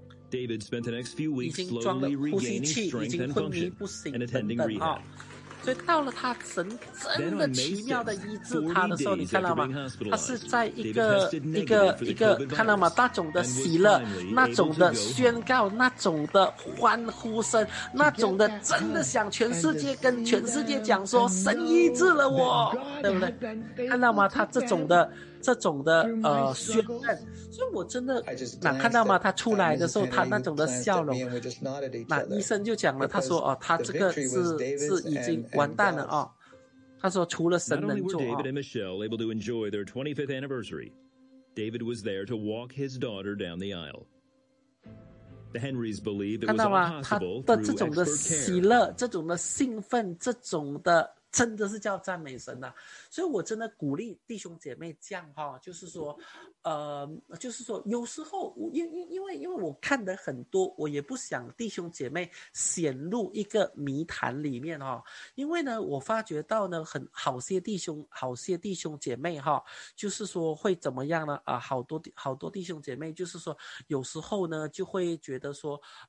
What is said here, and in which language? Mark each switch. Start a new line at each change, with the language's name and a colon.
English: David spent the next few weeks slowly regaining strength and function and attending rehab.
Chinese: 所以到了他神真的奇妙的医治他的时候，你看到吗？他是在一个看到吗？那种的喜乐，那种的宣告，那种的欢呼声，那种的真的想全世界跟全世界讲说神医治了我，对不对？看到吗？他这种的。这种的宣认，所以我真的那看到吗？他出来的时候，他那种的笑容，那医生就讲了，他说哦，他这个是已经完蛋了哦。他说除了神能做。
English: Not only were David and Michelle able to enjoy their 25th anniversary, David was there to walk his daughter down the aisle. The Henrys believe it was impossible through expert care.
Chinese: 看到吗？他的这种的喜乐，这种的兴奋，这种的。真的是叫赞美神啊，所以我真的鼓励弟兄姐妹这样哈，就是说就是说有时候因为我看的很多，我也不想弟兄姐妹陷入一个迷潭里面哈，因为呢我发觉到呢很好些弟兄姐妹哈，就是说会怎么样呢啊，好多弟兄姐妹就是说有时候呢就会觉得说